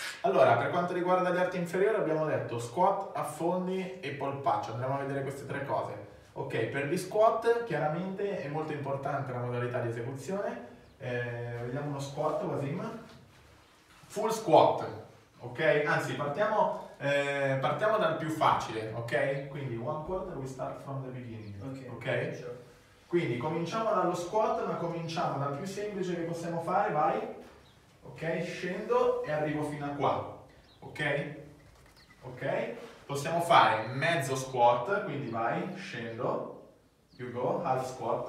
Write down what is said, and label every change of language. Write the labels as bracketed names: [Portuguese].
[Italian] Allora, per quanto riguarda gli arti inferiori, abbiamo detto squat, affondi e polpaccio. Andremo a vedere queste tre cose. Ok, per gli squat, chiaramente, è molto importante la modalità di esecuzione. Vediamo uno squat, Wasim. Full squat, ok? Anzi, partiamo dal più facile, ok? [English] Quindi one quarter, we start from the beginning, ok? Okay? Sure. [Italian] Quindi cominciamo dallo squat, ma cominciamo dal più semplice che possiamo fare, vai, ok? Scendo e arrivo fino a qua, ok? Ok? Possiamo fare mezzo squat, quindi vai, scendo, [English] you go, half squat,